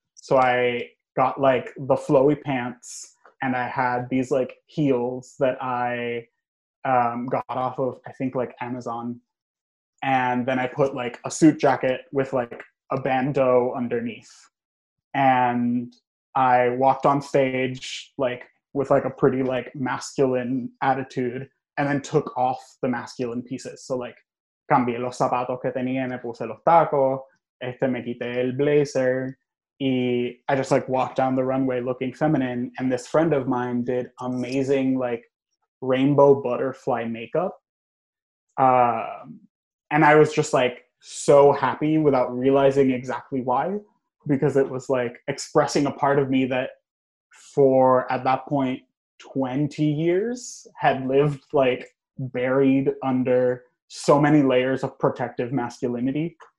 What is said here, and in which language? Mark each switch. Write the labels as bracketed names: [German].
[English] So I got like the flowy pants and I had these like heels that I got off of, I think like Amazon. And then I put like a suit jacket with like a bandeau underneath. And I walked on stage like with like a pretty like masculine attitude and then took off the masculine pieces. So like [Spanish] cambié los zapatos que tenía, me puse los tacos, me quité el blazer. [English] Y I just like walked down the runway looking feminine. And this friend of mine did amazing like rainbow butterfly makeup. And I was just like so happy without realizing exactly why, because it was like expressing a part of me that for at that point 20 years had lived like buried under so many layers of protective masculinity.